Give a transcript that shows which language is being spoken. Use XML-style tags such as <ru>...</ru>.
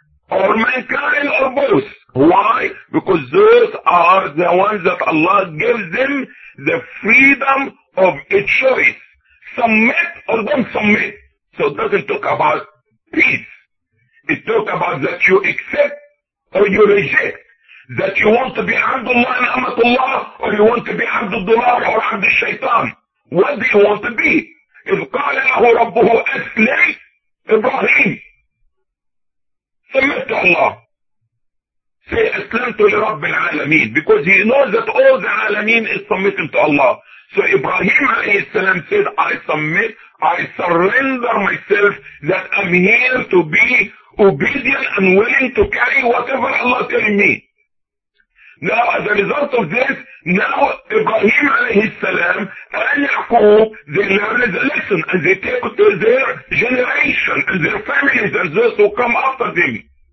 <en>or mankind or both. Why? Because those are the ones that Allah gives them the freedom of a choice. Submit or don't submit. So it doesn't talk about peace. It talks about that you accept or you reject. That you want to be Abdullah and Amatullah, or you want to be Abdullah or Abdushaytan. What do you want to be?</en> <ar>If قَالَ لَهُ رَبُّهُ أَسْلِمْ إِبْرَاهِيمْ</ar> <en>Submit to Allah. Say,</en> <ar>أَسْلَمْ to لِرَبِّ الْعَالَمِينَ.</ar> <en>Because he knows that all the alameen is submitting to Allah. So Ibrahim alayhi salam said, I submit, I surrender myself that I'm here to be obedient and willing to carry whatever Allah telling me. Now, as a result of this, now Ibrahim alayhi salam and Yaqub, they learn the lesson and they take it to their generation and their families and those who come after them.</en>